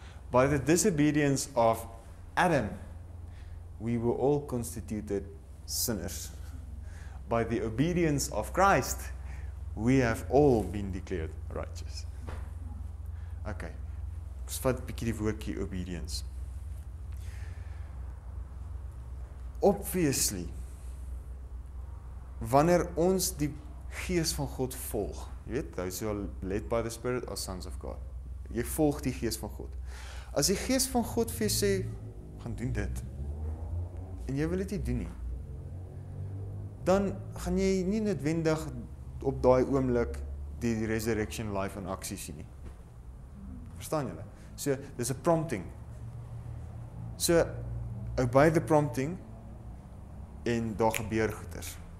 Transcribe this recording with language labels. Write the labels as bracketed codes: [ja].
[en] By the disobedience of Adam, we were all constituted sinners. By the obedience of Christ, we have all been declared righteous. [af] Okay, ons vat bietjie die woordjie obedience. [en] Obviously, [af] wanneer ons die gees van God volg, jy weet, [en] thou is led by the Spirit as sons of God. [af] Jy volg die gees van God. As die gees van God vir jy sê, gaan doen dit, en jy wil dit nie doen nie, dan gaan jy nie noodwendig op die oomblik die resurrection life in actie sien nie. Verstaan julle? So, dis a prompting. [en] So, obey the prompting [af] en daar gebeur goeders.